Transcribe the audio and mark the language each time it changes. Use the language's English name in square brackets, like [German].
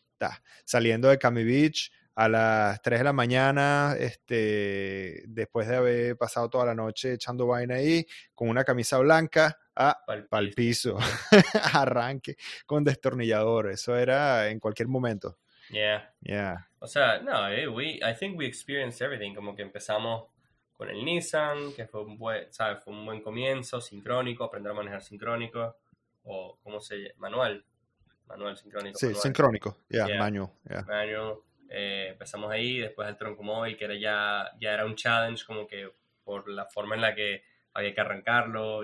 [Spanish] Está saliendo de Cami Beach a las 3 de la mañana, después de haber pasado toda la noche echando vaina ahí, con una camisa blanca, pa'l piso, arranque, con destornillador. Eso era en cualquier momento. [English] Yeah. [Spanish] O sea, no, [English] I think we experienced everything. [Spanish] Como que empezamos con el Nissan, que fue un buen comienzo, sincrónico, aprender a manejar sincrónico, o ¿cómo se llama? Manual. Manual, sincrónico. Sí, manual. Sincrónico, yeah, manual. Manual. Empezamos ahí, después el tronco móvil, que era ya era un challenge, como que por la forma en la que había que arrancarlo.